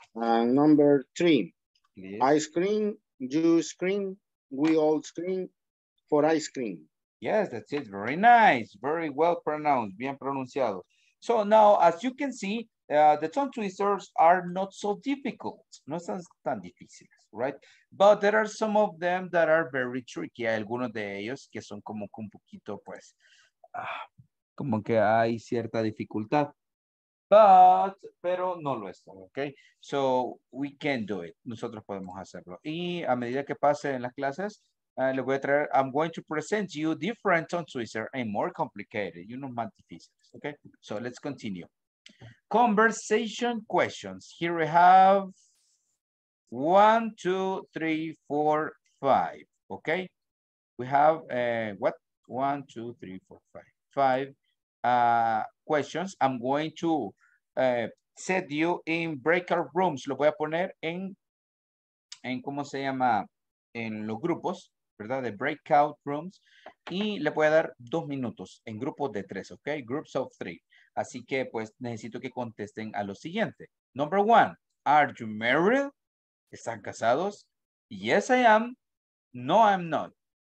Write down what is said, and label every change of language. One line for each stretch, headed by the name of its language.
English: Number three. Please. I scream, you scream, we all scream for ice cream. Yes, that's it. Very nice. Very well pronounced.
Spanish: Bien pronunciado.
English: So now, as you can see, the tongue twisters are not so difficult,
Spanish: no están tan difíciles,
English: right? But there are some of them that are very tricky.
Spanish: Hay algunos de ellos que son como que un poquito, pues, como que hay cierta dificultad. Pero no lo están, ¿ok?
English: So we can do it.
Spanish: Nosotros podemos hacerlo. Y a medida que pase en las clases, les voy a traer,
English: I'm going to present you different tongue twisters and more complicated, you know,
Spanish: más difíciles, ¿ok?
English: So let's continue. Conversation questions. Here we have 1, 2, 3, 4, 5. Okay. We have 5 questions. I'm going to set you in breakout rooms.
Spanish: Lo voy a poner en ¿cómo se llama? En los grupos, ¿verdad? De breakout rooms. Y le voy a dar 2 minutos en grupos de 3.
English: Okay. Groups of 3.
Spanish: Así que, pues, necesito que contesten a lo siguiente.
English: Number one, are you married?
Spanish: ¿Están casados?
English: Yes, I am. No, I'm not.